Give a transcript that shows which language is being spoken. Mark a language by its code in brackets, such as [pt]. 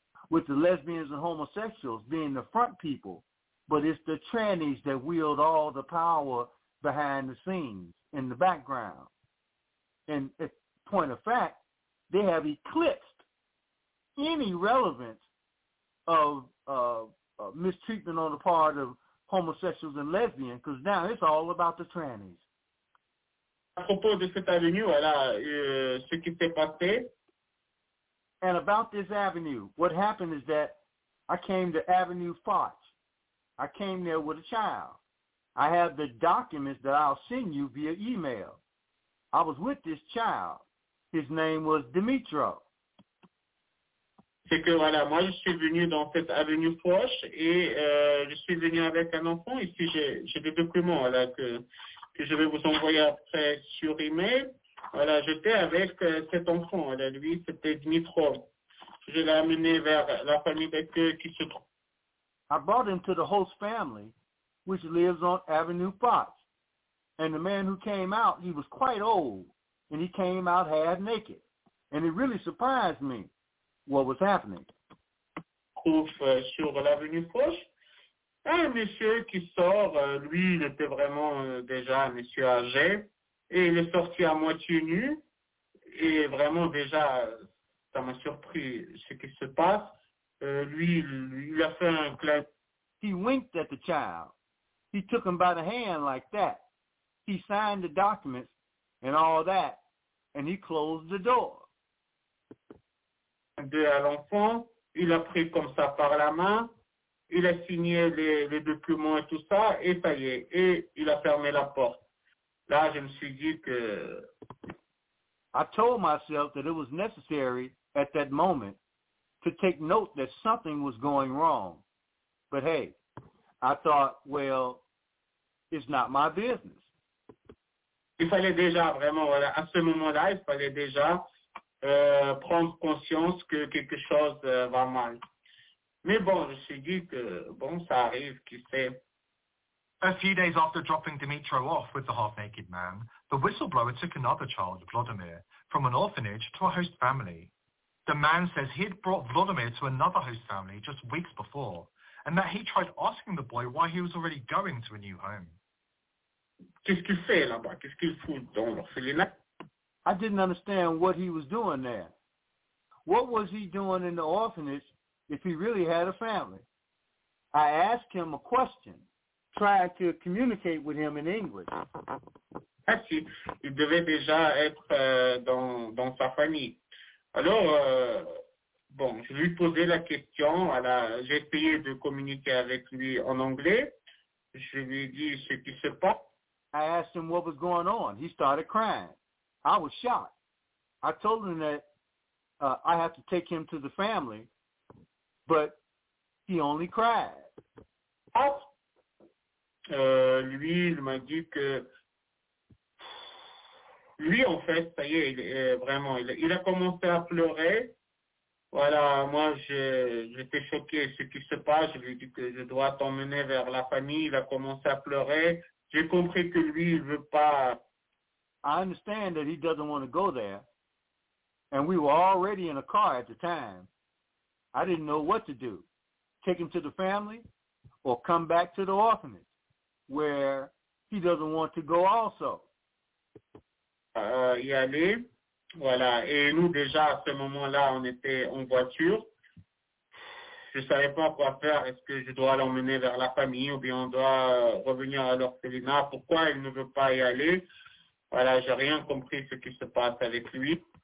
[en] With the lesbians and homosexuals being the front people, but it's the trannies that wield all the power behind the scenes in the background. And at point of fact, they have eclipsed any relevance of mistreatment on the part of homosexuals and lesbians, because now it's all about the trannies. [fr] À propos de cette avenue, voilà ce qui s'est passé. [en] And about this avenue, what happened is that I came to Avenue Foch. I came there with a child. I have the documents that I'll send you via email. I was with this child. His name was Dimitro. [fr] C'est que voilà, moi je suis venu dans cette avenue Foch et je suis venu avec un enfant. Ici j'ai des documents, voilà, que je vais vous envoyer après sur email. Voilà, j'étais avec cet enfant. Voilà, lui, c'était Dimitrov. Je l'ai amené vers la famille d'accueil qui se trouve. [en] I brought him to the host family, which lives on Avenue Potts. And the man who came out, he was quite old, and he came out half naked. And it really surprised me what was happening. [fr] Sur l'avenue proche. Un monsieur qui sort, lui, il était vraiment déjà un monsieur âgé, et il est sorti à moitié nu, et vraiment déjà, ça m'a surpris ce qui se passe. Lui, il a fait un clin. [en] He winked at the child. He took him by the hand like that. He signed the documents and all that, and he closed the door. [fr] De à l'enfant, il a pris comme ça par la main, il a signé les documents et tout ça, et ça y est, et il a fermé la porte. Là, je me suis dit que... [en] I told myself that it was necessary at that moment to take note that something was going wrong. But hey, I thought, well, it's not my business. [fr] Il fallait déjà vraiment, voilà, à ce moment-là, il fallait déjà... prendre conscience que quelque chose va mal. Mais bon, je suis dit que, bon, ça arrive, qui sait. [en] A few days after dropping Dimitro off with the half-naked man, the whistleblower took another child, Vladimir, from an orphanage to a host family. The man says he had brought Vladimir to another host family just weeks before, and that he tried asking the boy why he was already going to a new home. [fr] Qu'est-ce qu'il fait là-bas? Qu'est-ce qu'il fout dans l'orphelinat? [en] I didn't understand what he was doing there. What was he doing in the orphanage if he really had a family? I asked him a question, trying to communicate with him in English. [fr] Ah, si. Il devait déjà être dans sa famille. Alors, bon, je lui posais la question. J'ai essayé de communiquer avec lui en anglais. Je lui ai dit ce qui se passe. [en] I asked him what was going on. He started crying. I was shocked. I told him that I have to take him to the family, but he only cried. [fr] Lui, il m'a dit que... Lui, en fait, ça y est, il a commencé à pleurer. Voilà, moi, j'étais choqué. Ce qui se passe, je lui ai dit que je dois t'emmener vers la famille. Il a commencé à pleurer. J'ai compris que lui, il veut pas... [en] I understand that he doesn't want to go there, and we were already in a car at the time. I didn't know what to do, take him to the family or come back to the orphanage, where he doesn't want to go also. [fr] Y aller, voilà, et nous déjà à ce moment-là, on était en voiture. Je ne savais pas quoi faire, est-ce que je dois l'emmener vers la famille ou bien on doit revenir à l'orphelinat, pourquoi il ne veut pas y aller. Voilà, j'ai rien compris ce qui se passe avec lui.